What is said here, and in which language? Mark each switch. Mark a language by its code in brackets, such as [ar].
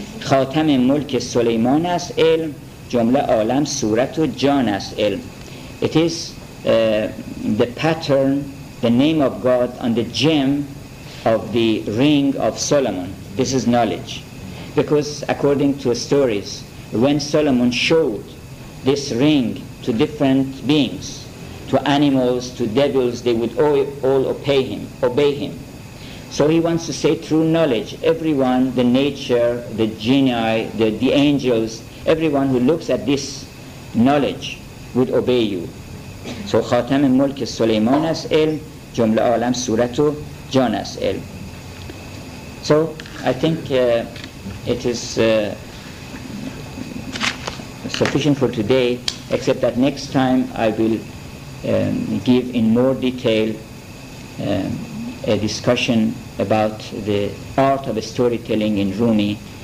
[fa] خاتم ملک سلیمان است علم جمله عالم صورت و جان است علم. [en] It is the pattern, the name of God on the gem of the ring of Solomon. This is knowledge. Because according to stories, when Solomon showed this ring to different beings, to animals, to devils, they would all obey him. So he wants to say through knowledge, everyone, the nature, the genii, the angels, everyone who looks at this knowledge would obey you. [fa] So خاتم ملک سلیمان است علم جمله عالم صورت و جان است علم. [en] So I think it is sufficient for today, except that next time I will give in more detail a discussion about the art of storytelling in Rumi.